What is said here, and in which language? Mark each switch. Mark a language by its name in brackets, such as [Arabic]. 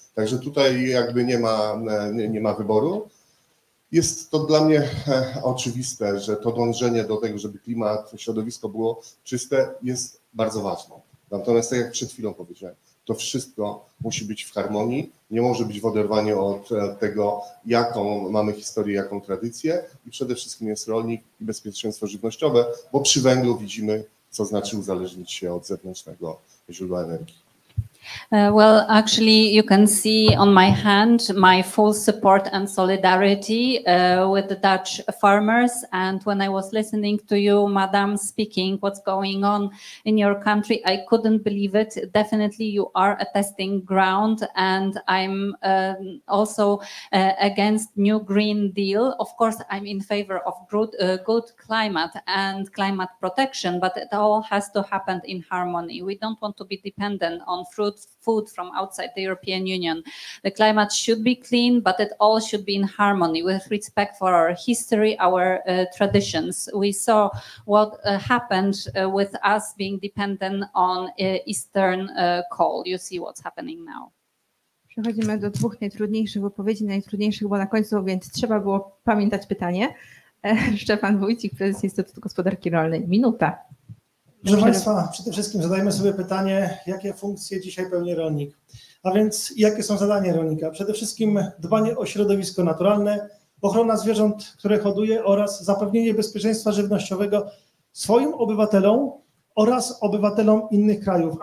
[Polish] Także tutaj jakby nie ma wyboru. Jest to dla mnie oczywiste, że to dążenie do tego, żeby klimat, środowisko było czyste, jest bardzo ważne. Natomiast tak jak przed chwilą powiedziałem, to wszystko musi być w harmonii, nie może być w oderwaniu od tego, jaką mamy historię, jaką tradycję i przede wszystkim jest rolnik i bezpieczeństwo żywnościowe, bo przy węglu widzimy, co znaczy uzależnić się od zewnętrznego źródła energii. [English] Well, actually, you can see on my hand my full support and solidarity with the Dutch farmers. And when I was listening to you, madam, speaking what's going on in your country, I couldn't believe it. Definitely, you are a testing ground. And I'm also against New Green Deal. Of course, I'm in favor of good climate and climate protection, but it all has to happen in harmony. We don't want to be dependent on food from outside the European Union. The climate should be clean, but it all should be in harmony with respect for our history, our traditions. We saw what happened with us being dependent on Eastern coal. You see what's happening now. [Polish] Przechodzimy do dwóch najtrudniejszych wypowiedzi, najtrudniejszych, bo na końcu, więc trzeba było pamiętać pytanie. Szczepan Wójcik, prezes Instytutu Gospodarki Rolnej. Minuta. Proszę Państwa, przede wszystkim zadajmy sobie pytanie, jakie funkcje dzisiaj pełni rolnik. A więc jakie są zadania rolnika? Przede wszystkim dbanie o środowisko naturalne, ochrona zwierząt, które hoduje oraz zapewnienie bezpieczeństwa żywnościowego swoim obywatelom oraz obywatelom innych krajów.